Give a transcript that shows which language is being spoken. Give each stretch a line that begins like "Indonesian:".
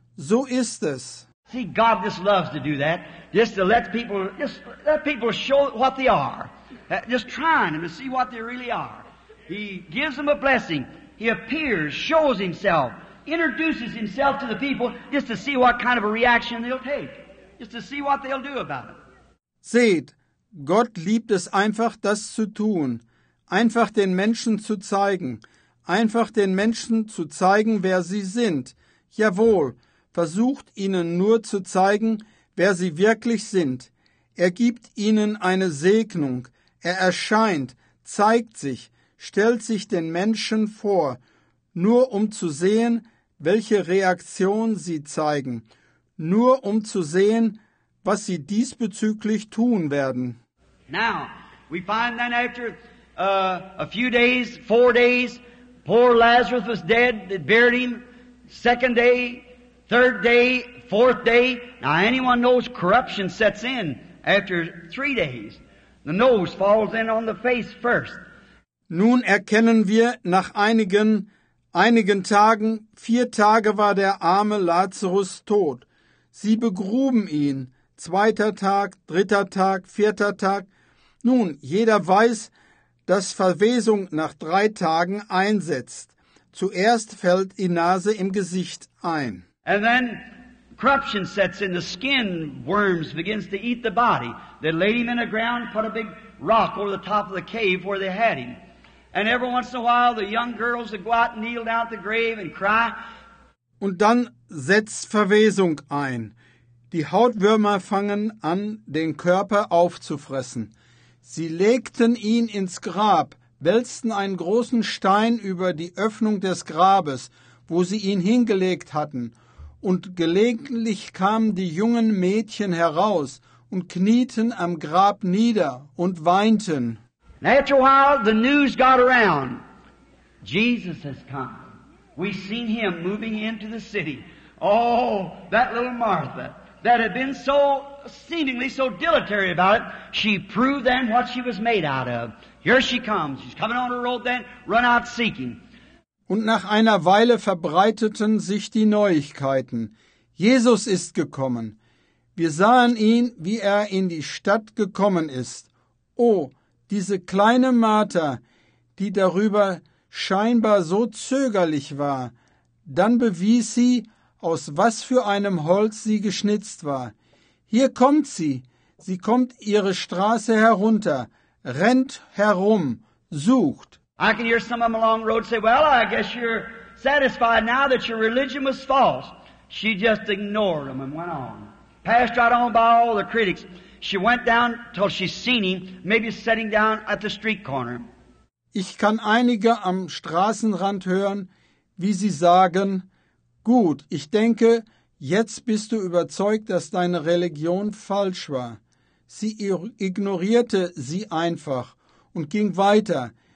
German: So ist es.
English: See, God just loves to do that, just to let people show what they are, just trying them to see what they really are. He gives them a blessing. He appears, shows himself, introduces himself to the people just to see what kind of a reaction they'll take, just to see what they'll do about it.
German: Seht, Gott liebt es einfach, das zu tun, einfach den Menschen zu zeigen, einfach den Menschen zu zeigen, wer sie sind. Jawohl, versucht ihnen nur zu zeigen, wer sie wirklich sind. Er gibt ihnen eine Segnung, er erscheint, zeigt sich, stellt sich den Menschen vor, nur um zu sehen, welche Reaktion sie zeigen, nur um zu sehen, was sie diesbezüglich tun werden.
English: Now, we find that after a few days, 4 days, poor Lazarus was dead, they buried him. Second day, third day, fourth day. Now, anyone knows corruption sets in after 3 days. The nose falls in on the face first.
German: Nun erkennen wir nach einigen Tagen, 4 Tage war der arme Lazarus tot. Sie begruben ihn. 2. Tag, 3. Tag, 4. Tag. Nun, jeder weiß, dass Verwesung nach 3 Tagen einsetzt. Zuerst fällt die Nase im Gesicht ein.
English: And then corruption sets in, the skin worms begins to eat the body. They laid him in the ground, put a big rock over the top of the cave where they had him. And every once in a while the young girls would go out and kneel down at the grave and cry.
German: Und dann setzt Verwesung ein. Die Hautwürmer fangen an, den Körper aufzufressen. Sie legten ihn ins Grab, wälzten einen großen Stein über die Öffnung des Grabes, wo sie ihn hingelegt hatten. Und gelegentlich kamen die jungen Mädchen heraus und knieten am Grab nieder und weinten.
English: After a while, the news got around. Jesus has come. We've seen him moving into the city. Oh, that little Martha that had been so seemingly so dilatory about it, she proved then what she was made out of. Here she comes. She's coming on the road then, run out seeking.
German: Und nach einer Weile verbreiteten sich die Neuigkeiten. Jesus ist gekommen. Wir sahen ihn, wie er in die Stadt gekommen ist. Oh, diese kleine Martha, die darüber scheinbar so zögerlich war. Dann bewies sie, aus was für einem Holz sie geschnitzt war. Hier kommt sie. Sie kommt ihre Straße herunter, rennt herum, sucht.
English: I can hear some of them along the road say, well, I guess you're satisfied now that your religion was false. She just ignored them and went on. Passed right on by all the critics. She went down till she seen him, maybe sitting down at the street corner.
German: Ich kann einige am Straßenrand hören, wie sie sagen, gut, ich denke, jetzt bist du überzeugt, dass deine Religion falsch war. Sie ignorierte sie einfach und ging weiter.